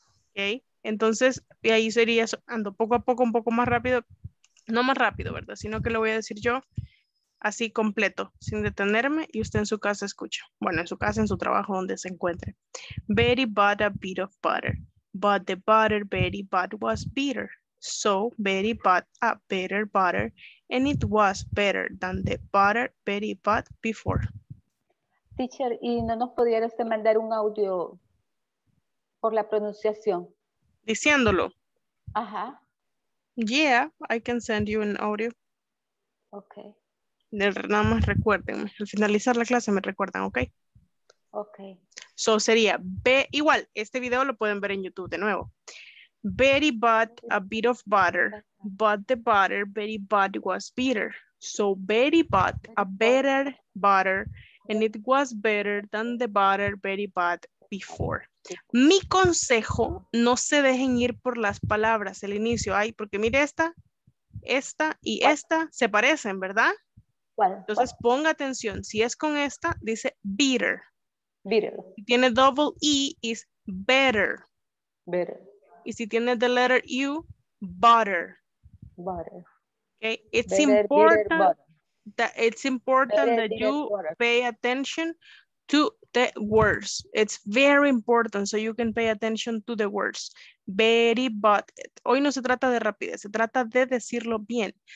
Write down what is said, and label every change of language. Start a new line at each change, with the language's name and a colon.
Spanish: Ok, entonces y ahí sería, ando poco a poco, un poco más rápido, no más rápido, ¿verdad? Sino que lo voy a decir yo así completo, sin detenerme, y usted en su casa escucha, bueno, en su casa, en su trabajo, donde se encuentre.
English: Betty bought a bit of butter, but the butter Betty bought was bitter, so Betty bought a better butter, and it was better than the butter Betty bought before.
Spanish: Teacher, ¿y no nos pudiera usted mandar un audio por la pronunciación? Diciéndolo. Ajá.
English: Yeah, I can send you an audio. Ok.
Spanish: Nada más recuerden, al finalizar la clase me recuerdan, ¿ok? Ok. So sería, igual, este video lo pueden ver en YouTube de nuevo.
English: Betty bought a bit of butter, but the butter Betty bought was bitter. So Betty bought a better butter, and it was better than the butter Betty bought before.
Spanish: Mi consejo, no se dejen ir por las palabras el inicio. Ay, porque mire esta, esta y esta se parecen, ¿verdad? Entonces ponga atención. Si es con esta, dice bitter.
English: Bitter.
Spanish: Si tiene
English: double E, is better. Better.
Spanish: Y si tiene
English: the letter U, butter. Butter. Okay, it's better, important. Bitter, butter. That it's important that you pay attention to the words. It's very important so you can pay attention to the words. Very bought it.
Spanish: Hoy no se trata de rapidez, se trata de decirlo bien.